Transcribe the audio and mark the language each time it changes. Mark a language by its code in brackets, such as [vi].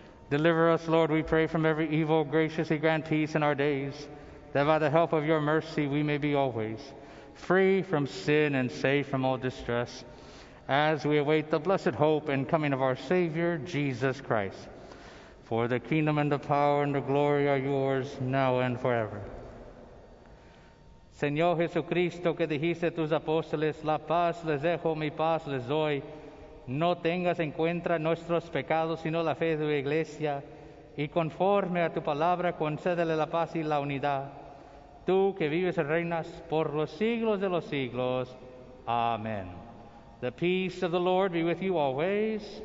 [en] Deliver us, Lord, we pray, from every evil. Graciously grant peace in our days, that by the help of your mercy we may be always free from sin and safe from all distress, as we await the blessed hope and coming of our Savior, Jesus Christ. For the kingdom and the power and the glory are yours, now and forever. [es] Señor Jesucristo, que dijiste a tus apóstoles, la paz les dejo, mi paz les doy. No tengas en cuenta nuestros pecados, sino la fe de tu iglesia, y conforme a tu palabra, concédele la paz y la unidad. Tú que vives y reinas por los siglos de los siglos. Amén. [en] The peace of the Lord be with you always.